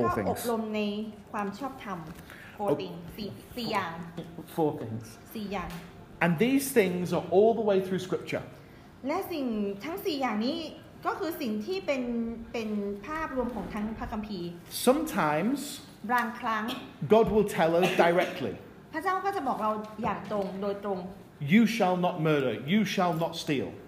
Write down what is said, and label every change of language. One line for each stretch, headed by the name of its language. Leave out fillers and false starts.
Thai: และก็อบรมในความชอบธรรม4 อย่าง
English: 4 things
Thai: 4 อย่าง
English: and these things are all the way through scripture
Thai: และสิ่งทั้ง4 อย่างนี้ก็คือสิ่งที่เป็นภาพรวมของทั้งพระคัมภีร์
English: sometimes
Thai: บางครั้ง
English: God will tell us directly
Thai: พระเจ้าก็จะบอกเราอย่างตรงโดยตรง
English: You shall not murder You shall not steal